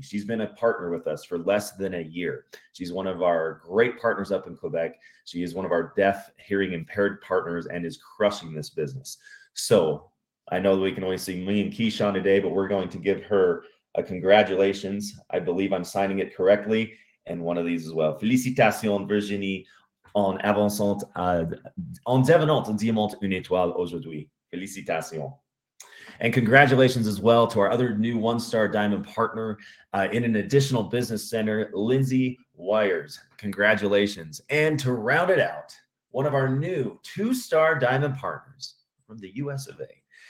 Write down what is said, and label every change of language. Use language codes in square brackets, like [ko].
[en] She's been a partner with us for less than a year. She's one of our great partners up in Quebec. She is one of our deaf, hearing impaired partners and is crushing this business. So I know that we can only see me and Keyshawn today, but we're going to give her a congratulations. I believe I'm signing it correctly. And one of these as well. [fr] Félicitations, Virginie, en avançant en devenant un diamant une étoile aujourd'hui. Félicitations. [en] And congratulations as well to our other new one-star diamond partner in an additional business center, Lindsay Wires. Congratulations. And to round it out, one of our new two-star diamond partners from the US of A.